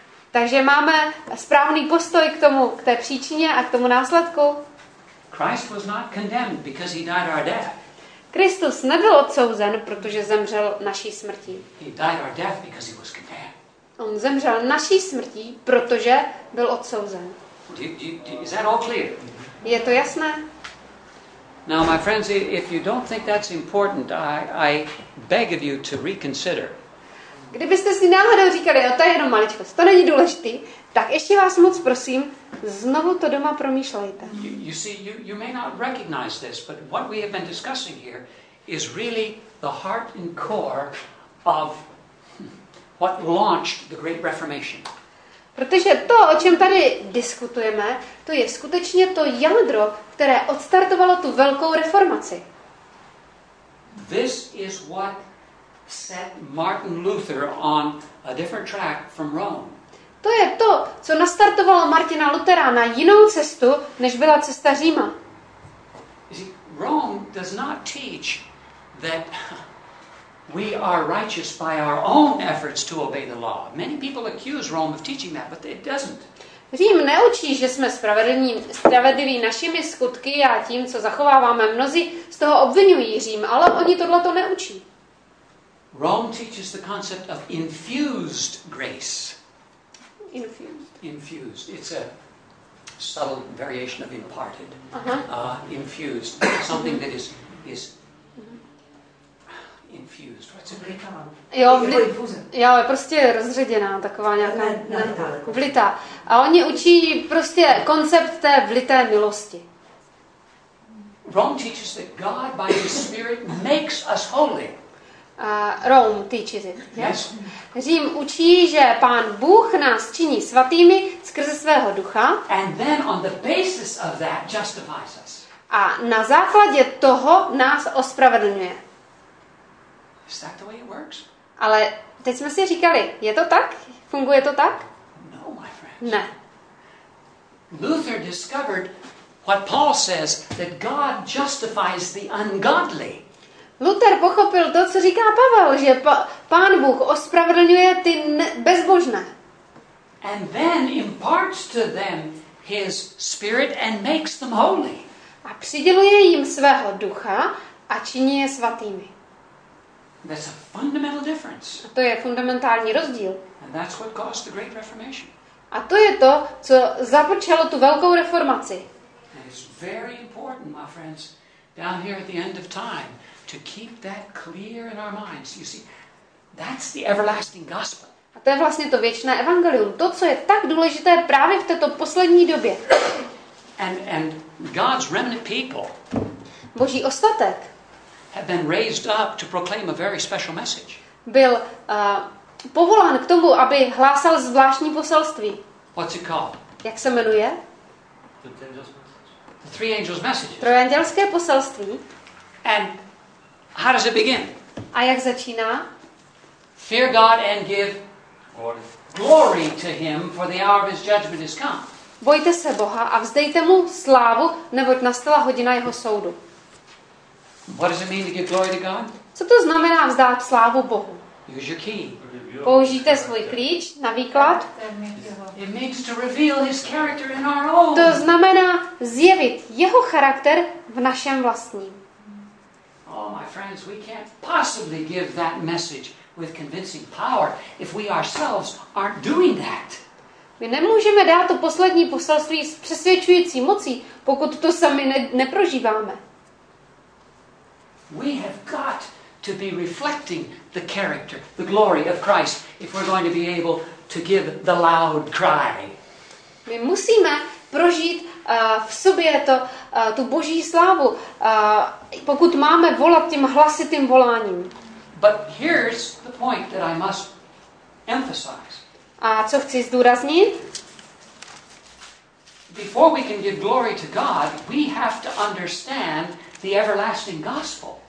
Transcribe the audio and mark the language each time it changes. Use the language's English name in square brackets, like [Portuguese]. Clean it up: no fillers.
[Czech] Takže máme správný postoj k tomu, k té příčině a k tomu následku. [English] Christ was not condemned because he died our death. [Czech] Kristus nebyl odsouzen, protože zemřel naší smrtí. [English] He died our death because he was condemned. [Czech] On zemřel naší smrtí, protože byl odsouzen. [English] Is that all clear? [Czech] Je to jasné? [English] Now, my friends, if you don't think that's important, I beg of you to reconsider. [Czech] Kdybyste si náhodou říkali, to je jenom maličkost, to není důležitý, tak ještě vás moc prosím, znovu to doma promýšlejte. [English] You see, you may not recognize this, but what we have been discussing here is really the heart and core of what launched the Great Reformation. [Czech] Protože to, o čem tady diskutujeme, to je skutečně to jádro, které odstartovalo tu velkou reformaci. [English] This is what set Martin Luther on a different track from Rome. [Czech] To je to, co nastartovalo Martina Lutera na jinou cestu, než byla cesta Říma. [English] Rome does not teach that we are righteous by our own efforts to obey the law. Many people accuse Rome of teaching that, but it doesn't. [Czech] Řím neučí, že jsme spravedliví našimi skutky a tím, co zachováváme. Mnozí z toho obvinují Řím, ale oni tohle to neučí. [English] Rome teaches the concept of infused grace. Infused. It's a subtle variation of imparted. Uh-huh. Infused. Something that is infused. What's it called? [Czech] Jo, prostě rozředěná, taková nějaká vlitá. A oni učí prostě koncept té vlité milosti. [English] Rome teaches that God by His Spirit makes us holy. Rome teaches it. Yes. [Czech] Řím učí, že Pán Bůh nás činí svatými skrze svého ducha. [English] And then on the basis of that justifies us. [Czech] A na základě toho nás ospravedlňuje. [English] Is that the way it works? [Czech] Ale teď jsme si říkali, je to tak? Funguje to tak? [English] No, my friends. [Czech] Ne. [English] Luther discovered what Paul says, that God justifies the ungodly. [Czech] Luther pochopil to, co říká Pavel, že Pán Bůh ospravedlňuje ty bezbožné. [English] And then imparts to them his spirit and makes them holy. [Czech] A přiděluje jim svého ducha a činí je svatými. [English] That's a fundamental difference. [Czech] A to je fundamentální rozdíl. [English] And that's what caused the Great Reformation. [Czech] A to je to, co započalo tu velkou reformaci. [English] And it's very important, my friends, down here at the end of time, to keep that clear in our minds. You see, that's the everlasting gospel. [Czech] A to je vlastně to věčné evangelium, to, co je tak důležité právě v této poslední době. [English] And God's remnant people. [Czech] Boží ostatek. [English] Have been raised up to proclaim a very special message. [Czech] Byl povolán k tomu, aby hlásal zvláštní poselství. [English] What's it called? [Czech] Jak se jmenuje? [English] The three angels' messages. [Czech] Trojandělské poselství. [English] And how does it begin? [Czech] A jak začíná? [English] Fear God and give glory to Him, for the hour of His judgment is come. [Czech] Bojte se Boha a vzdejte mu slávu, neboť nastala hodina jeho soudu. [English] What does it mean to give glory to God? [Czech] Co to znamená vzdát slávu Bohu? [English] Use your key. [Czech] Použijte svůj klíč na výklad. [English] It means to reveal His character in our own. [Czech] To znamená zjevit jeho charakter v našem vlastním. [English] Oh, my friends, we can't possibly give that message with convincing power if we ourselves aren't doing that. [Czech] My nemůžeme dát to poslední poselství s přesvědčující mocí, pokud to sami neprožíváme. [English] We have got to be reflecting the character, the glory of Christ if we're going to be able to give the loud cry. [Czech] My musíme prožít v sobě to, tu Boží slávu, pokud máme volat tím hlasitým voláním. [English] But here's the point that I must emphasize. [Czech] A co chci zdůraznit? [English] Before we can give glory to God, we have to understand the everlasting gospel.